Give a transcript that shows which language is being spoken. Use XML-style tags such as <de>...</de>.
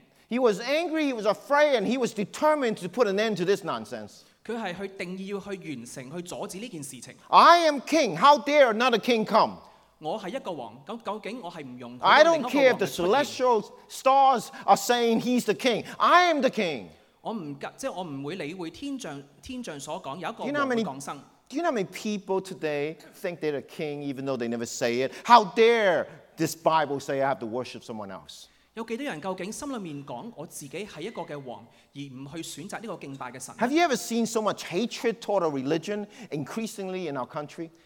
<en>He was angry, he was afraid, and he was determined to put an end to this nonsense.</en> <zh>他是去定義要去完成去阻止這件事情。</zh> <en>I am king, how dare another king come?</en> <zh>我是一個王，究竟我是不容許另一個王的出現。</zh> <en>I don't care if the celestial stars are saying he's the king, I am the king.</en> <zh>我不會理會天象所說有一個王會降生。</zh> <en>Do you know how many people today think they're the king even though they never say it? How dare this Bible say I have to worship someone else?</en> <zh>有幾多人究竟心裏面講我自己係一個嘅王，而唔去選擇呢個敬拜嘅神？</zh> <en>Have you ever seen so much hatred toward a religion increasingly in our country?</en>